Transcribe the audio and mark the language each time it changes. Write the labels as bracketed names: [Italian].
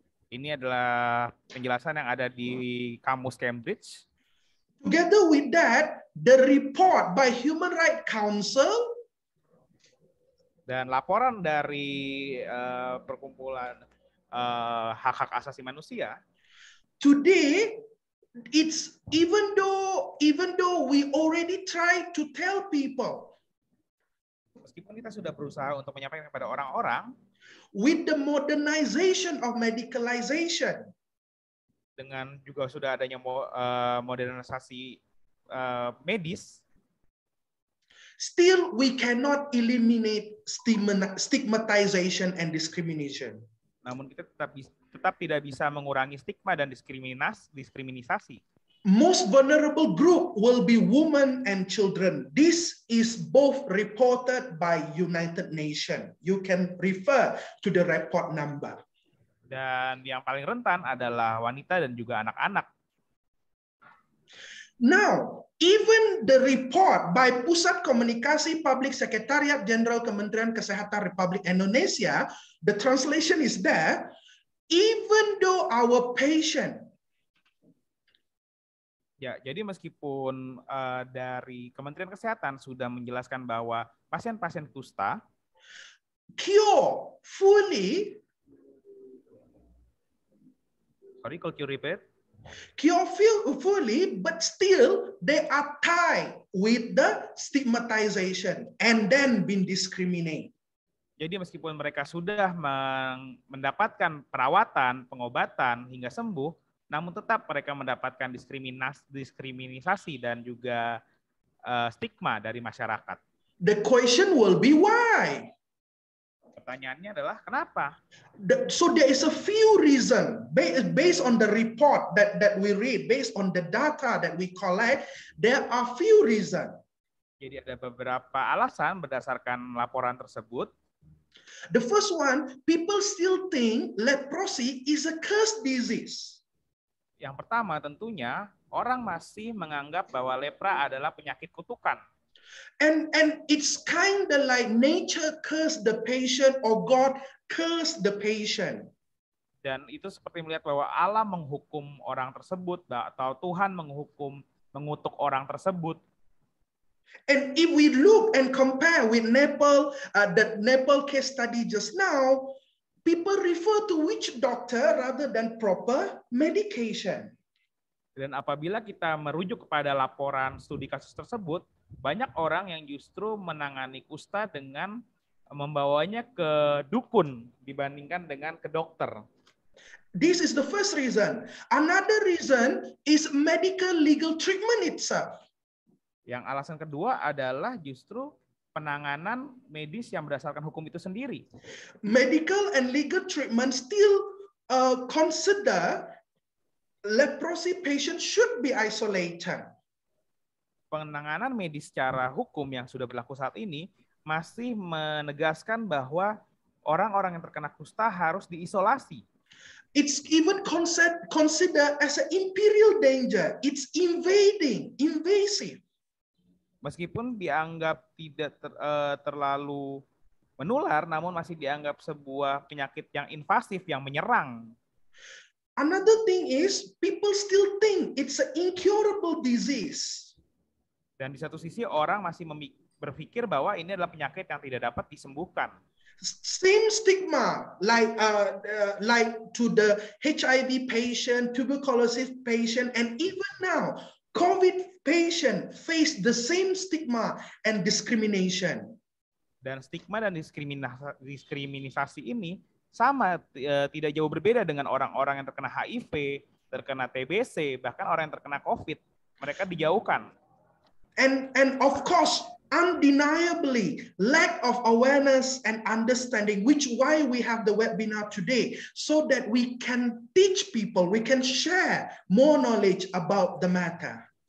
[Indonesian] Ini adalah penjelasan yang ada di kamus Cambridge. [English] Together with that, the report by Human Rights Council [Indonesian] dan laporan dari perkumpulan hak-hak asasi manusia. [English] Today, it's even though we already try to tell people. [Indonesian] Meskipun kita sudah berusaha untuk menyampaikan kepada orang-orang, [English] with the modernization of medicalization. [Indonesian] Dengan juga sudah adanya modernisasi medis, [English] still we cannot eliminate stigmatization and discrimination. [Indonesian] Namun kita tetap tidak bisa mengurangi stigma dan diskriminasi. [English] Most vulnerable group will be women and children. This is both reported by United Nations. You can refer to the report number. [Indonesian] Dan yang paling rentan adalah wanita dan juga anak-anak. [English] Now, even the report by Pusat Komunikasi Publik Sekretariat Jenderal Kementerian Kesehatan Republik Indonesia, the translation is there, even though our patient. [Indonesian] Ya, jadi meskipun dari Kementerian Kesehatan sudah menjelaskan bahwa pasien-pasien kusta [English] cure fully. Sorry, could you repeat? Cure fully, but still they are tied with the stigmatization and then been discriminated. [Indonesian] Jadi meskipun mereka sudah mendapatkan perawatan, pengobatan hingga sembuh, namun tetap mereka mendapatkan diskriminasi dan juga stigma dari masyarakat. [English] The question will be why? [Indonesian] Pertanyaannya adalah kenapa? [English] So there is a few reason based on the report that we read, based on the data that we collect, there are few reason. [Indonesian] Jadi ada beberapa alasan berdasarkan laporan tersebut. [English] The first one, people still think leprosy is a cursed disease. [Indonesian] Yang pertama tentunya orang masih menganggap bahwa lepra adalah penyakit kutukan. [English] And it's kind of like nature cursed the patient or God cursed the patient. [Indonesian] Dan itu seperti melihat bahwa Allah menghukum orang tersebut atau Tuhan mengutuk orang tersebut. [English] And if we look and compare with Nepal, that Nepal case study just now, people refer to which doctor rather than proper medication. [Indonesian] Dan apabila kita merujuk kepada laporan studi kasus tersebut, banyak orang yang justru menangani kusta dengan membawanya ke dukun dibandingkan dengan ke dokter. [English] This is the first reason. Another reason is medical legal treatment itself. [Indonesian] Yang alasan kedua adalah justru penanganan medis yang berdasarkan hukum itu sendiri. [English] Medical and legal treatment still consider leprosy patient should be isolated. [Indonesian] Penanganan medis secara hukum yang sudah berlaku saat ini masih menegaskan bahwa orang-orang yang terkena kusta harus diisolasi. [English] It's even consider as an imperial danger. It's invasive. [Indonesian] Meskipun dianggap tidak terlalu menular, namun masih dianggap sebuah penyakit yang invasif, yang menyerang. [English] Another thing is, people still think it's an incurable disease. [Indonesian] Dan di satu sisi, orang masih berpikir bahwa ini adalah penyakit yang tidak dapat disembuhkan. [English] Same stigma like to the HIV patient, tuberculosis patient, and even now, COVID patient face the same stigma and discrimination. [Indonesian] Dan stigma dan diskriminasi ini sama tidak jauh berbeda dengan orang-orang yang terkena HIV, terkena TBC, bahkan orang yang terkena COVID. Mereka dijauhkan. [English] And of course, undeniably, lack of awareness and understanding, which why we have the webinar today, so that we can teach people, we can share more knowledge about the matter.